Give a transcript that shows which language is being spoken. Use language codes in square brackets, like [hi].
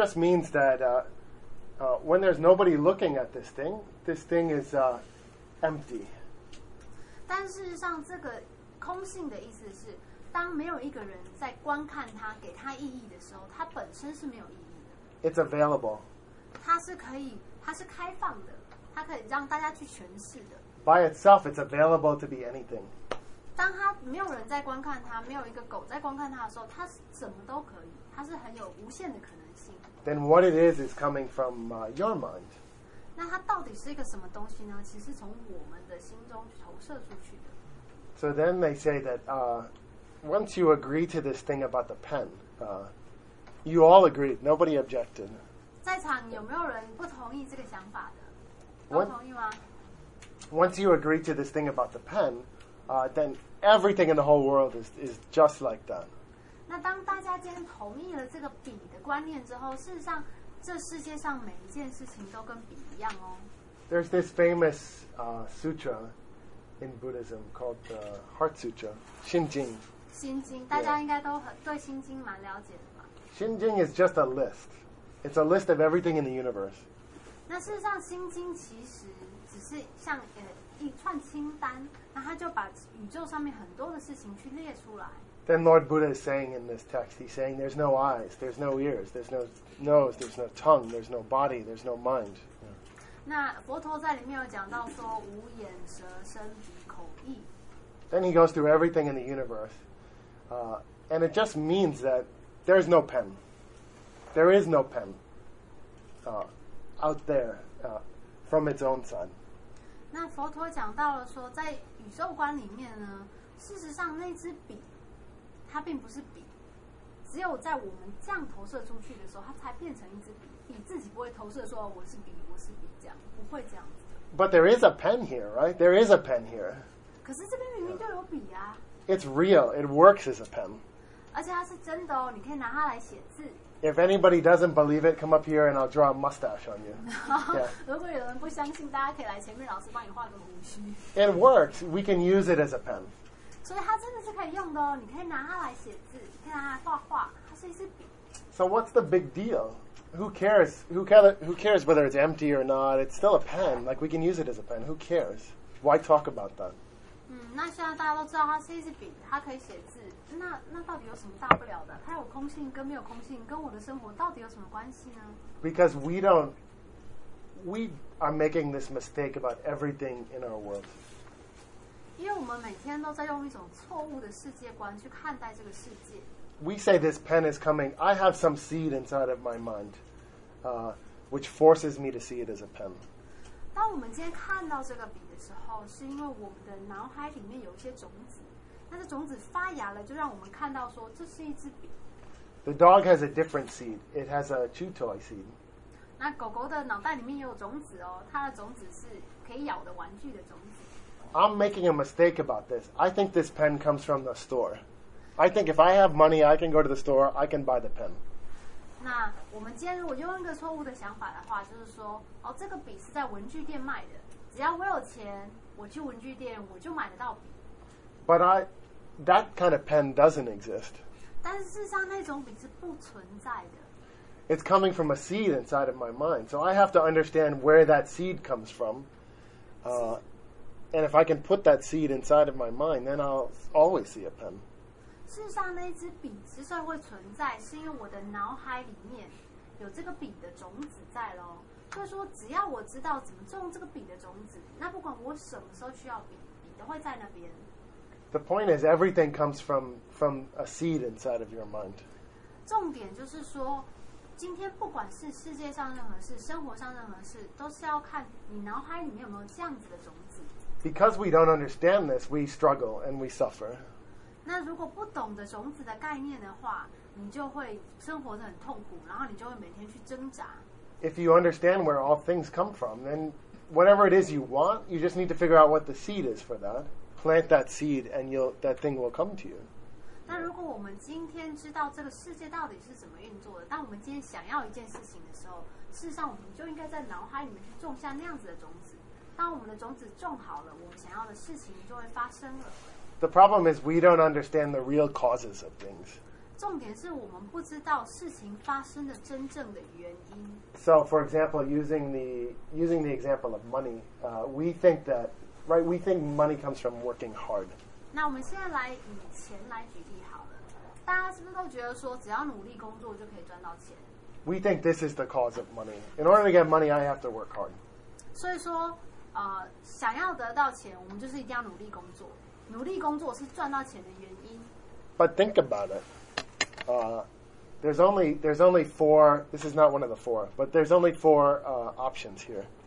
[en] It just means that. When there's nobody looking at this thing is empty. [zh] 但事实上，这个空性的意思是，当没有一个人在观看它、给它意义的时候，它本身是没有意义的。 [en] It's available. [zh] 它是可以，它是开放的，它可以让大家去诠释的。 [en] By itself, it's available to be anything. [zh] 当它没有人在观看它、没有一个狗在观看它的时候，它怎么都可以，它是很有无限的可能。 [en] Then what it is coming from your mind. [zh] 那它到底是一个什么东西呢？其实从我们的心中投射出去的。 [en] So then they say that once you agree to this thing about the pen, you all agreed. Nobody objected. [zh] 在场有没有人不同意这个想法的？都同意吗？ [en] Once you agree to this thing about the pen, then everything in the whole world is just like that. [zh] 那当大家今天同意了这个笔的观念之后，事实上，这世界上每一件事情都跟笔一样哦。 [en] There's this famous sutra in Buddhism called the Heart Sutra, 心经。 [zh] 心经，大家应该都很对心经蛮了解的吧？ [en] 心经 is just a list. It's a list of everything in the universe. [zh] 那事实上，心经其实只是像一串清单，那它就把宇宙上面很多的事情去列出来。 [en] then Lord Buddha is saying in this text, he's saying there's no eyes, there's no ears, there's no nose, there's no tongue, there's no body, there's no mind. Then he goes through everything in the universe, and it just means that there is no pen. There is no pen out there from its own sun. [zh] 那佛陀讲到了说，在宇宙观里面呢，事实上那支笔，它并不是笔，只有在我们这样投射出去的时候，它才变成一支笔。笔自己不会投射说我是笔，我是笔这样，不会这样子。 [en] But there is a pen here, right? There is a pen here. [zh] 可是这边明明就有笔啊。 [en] It's real. It works as a pen. [zh] 而且它是真的哦，你可以拿它来写字。 [en] If anybody doesn't believe it, come up here and I'll draw a mustache on you. Yeah. It works. We can use it as a pen. So what's the big deal? Who cares whether it's empty or not? It's still a pen. Like, we can use it as a pen. Who cares? Why talk about that? [zh] 那现在大家都知道它是一支笔，它可以写字。那到底有什么大不了的？它有空性跟没有空性，跟我的生活到底有什么关系呢 [en] ？Because we are making this mistake about everything in our world. [zh] 因为我们每天都在用一种错误的世界观去看待这个世界。 [en] We say this pen is coming. I have some seed inside of my mind, which forces me to see it as a pen. [zh] 当我们今天看到这个笔。时候是因为我们的脑海里面有一些种子，那这种子发芽了，就让我们看到说这是一支笔。 [en] The dog has a different seed. It has a chew toy seed. [zh] 那狗狗的脑袋里面也有种子哦，它的种子是可以咬的玩具的种子。 [en] I'm making a mistake about this. I think this pen comes from the store. I think if I have money, I can go to the store. I can buy the pen. [zh] 那我们今天如果用一个错误的想法的话，就是说，哦，这个笔是在文具店卖的。只要我有钱，我去文具店，我就买得到笔。 [en] But that kind of pen doesn't exist. [zh] 但是事实上，那种笔是不存在的。 [en] It's coming from a seed inside of my mind, so I have to understand where that seed comes from. And if I can put that seed inside of my mind, then I'll always see a pen. [zh] 事实上，那支笔之所以会存在，是因为我的脑海里面有这个笔的种子在喽。所以说，只要我知道怎么种这个笔的种子，那不管我什么时候需要笔，笔都会在那边。 [en] The point is, everything comes from a seed inside of your mind. [zh] 重点就是说，今天不管是世界上任何事，生活上任何事，都是要看你脑海里面有没有这样子的种子。 [en] Because we don't understand this, we struggle and we suffer. [zh] 那如果不懂得种子的概念的话，你就会生活得很痛苦，然后你就会每天去挣扎。 [en] If you understand where all things come from, then whatever it is you want, you just need to figure out what the seed is for that. Plant that seed, and that thing will come to you. [zh] 那如果我们今天知道这个世界到底是怎么运作的，当我们今天想要一件事情的时候，事实上我们就应该在脑海里面去种下那样子的种子。当我们的种子种好了，我们想要的事情就会发生了。 [en] The problem is we don't understand the real causes of things. [zh] 重点是我们不知道事情发生的真正的原因。 [en] So, for example, using the example of money, we think that, right? We think money comes from working hard. [zh] 那我们现在来以钱来举例好了。大家是不是都觉得说，只要努力工作就可以赚到钱 [en] ？We think this is the cause of money. In order to get money, I have to work hard. [zh] 所以说，想要得到钱，我们就是一定要努力工作。努力工作是赚到钱的原因。 [en] But think about it. There's only four. This is not one of the four, but there's only four options here.